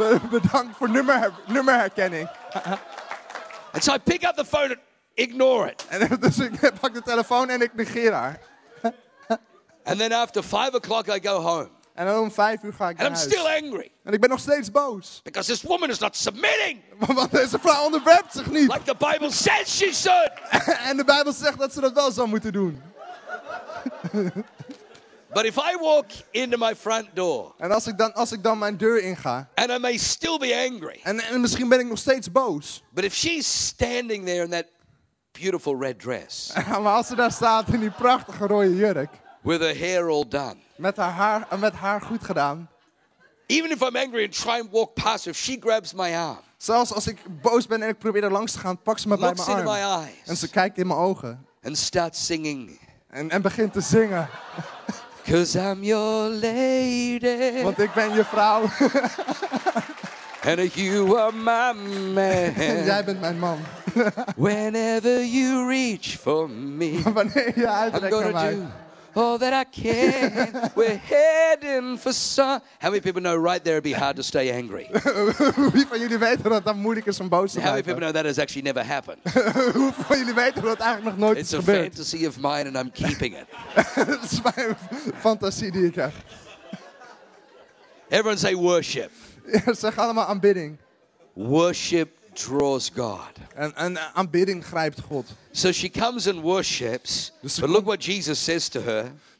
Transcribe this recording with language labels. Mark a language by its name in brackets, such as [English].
[English] Bedankt voor nummerherkenning. And so I pick up the phone and ignore it. [Dutch] En dus ik pak de telefoon en ik negeer haar. [English] And then after 5 o'clock I go home. [Dutch] En dan om 5 uur ga ik naar huis. [English] And I'm still angry. [Dutch] En ik ben nog steeds boos. [English] Because this woman is not submitting. [Dutch] Want deze vrouw onderwerpt zich niet. [English] Like the Bible says she should. [Dutch] En de Bijbel zegt dat ze dat wel zou moeten doen. [English] But if I walk into my front door, [Dutch] en als ik dan mijn deur inga, [English] and I may still be angry, [Dutch] en misschien ben ik nog steeds boos. [English] But if she's standing there in that beautiful red dress, [Dutch] maar als ze daar staat in die prachtige rode jurk, [English] with her hair all done, [Dutch] met haar goed gedaan, [English] even if I'm angry and try and walk past, if she grabs my arm, [Dutch] zelfs als ik boos ben en ik probeer er langs te gaan, pak ze me bij mijn arm, [English] my eyes, [Dutch] en ze kijkt in mijn ogen, [English] and starts singing, [Dutch] en begint te zingen. [English] Cause I'm your lady. [Dutch] Want ik ben je vrouw. [English] And you are my man. [Dutch] En jij bent mijn man. [English] Whenever you reach for me. [Dutch] Wanneer je uitrekt [English] I'm gonna [Dutch] naar mij. [English] Do all that I can. We're heading for some. How many people know right there it'd be hard to stay angry? [Dutch] Wie van jullie weten dat dat moeilijk is om boos te blijven? [English] How many people know that has actually never happened? [Dutch] Hoe van jullie weten dat eigenlijk nog nooit [English] It's [Dutch] is gebeurd? [English] It's a fantasy of mine and I'm keeping it. [Dutch] Het is mijn fantasie die ik heb. [English] Everyone say worship. [Dutch] Zeg allemaal aanbidding. [English] Worship draws God. [Dutch] En aanbidding grijpt God. [English] So she comes and worships. Dus but look what Jesus says to her.